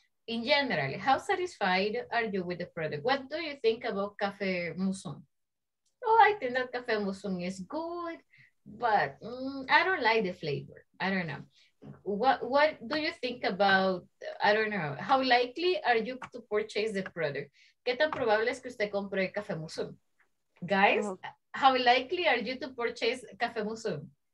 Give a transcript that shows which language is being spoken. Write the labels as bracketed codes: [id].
[en] In general, how satisfied are you with the product? What do you think about café musón? Oh, I think that café musón is good, but I don't like the flavor. I don't know. What do you think about, I don't know, how likely are you to purchase the product? [es] ¿Qué tan probable es que usted compre café musón? [en] Guys, how likely are you to purchase café musón?